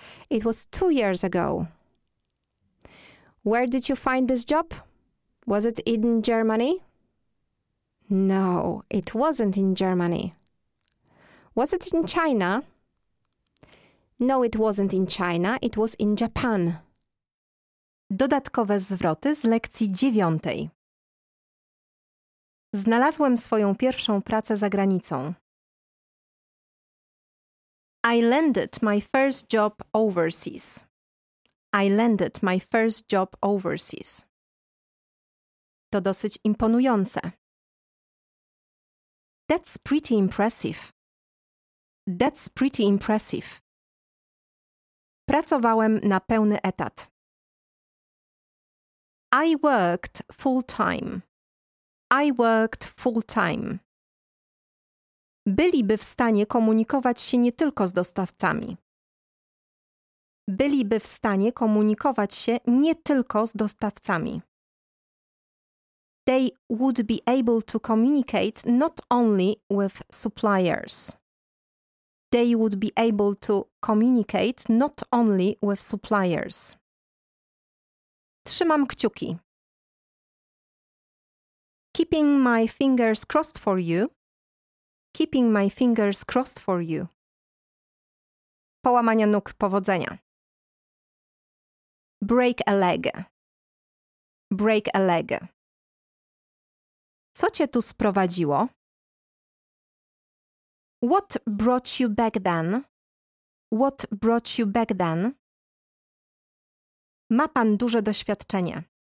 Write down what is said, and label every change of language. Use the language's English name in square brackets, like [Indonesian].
[English] It was 2 years ago. Where did you find this job? Was it in Germany? No, it wasn't in Germany. Was it in China? No, it wasn't in China, it was in Japan. [Polish] Dodatkowe zwroty z lekcji 9. Znalazłem swoją pierwszą pracę za granicą. [English] I landed my first job overseas. I landed my first job overseas. [Polish] To dosyć imponujące. [English] That's pretty impressive. That's pretty impressive. [Polish] Pracowałem na pełny etat. [English] I worked full time. I worked full time. [Polish] Byliby w stanie komunikować się nie tylko z dostawcami. Byliby w stanie komunikować się nie tylko z dostawcami. [English] They would be able to communicate not only with suppliers. They would be able to communicate not only with suppliers. [Polish] Trzymam kciuki. [English] Keeping my fingers crossed for you. Keeping my fingers crossed for you. [Polish] Połamania nóg, powodzenia. [English] Break a leg. Break a leg. [Polish] Co cię tu sprowadziło? [English] What brought you back then? What brought you back then? [Polish] Ma pan duże doświadczenie.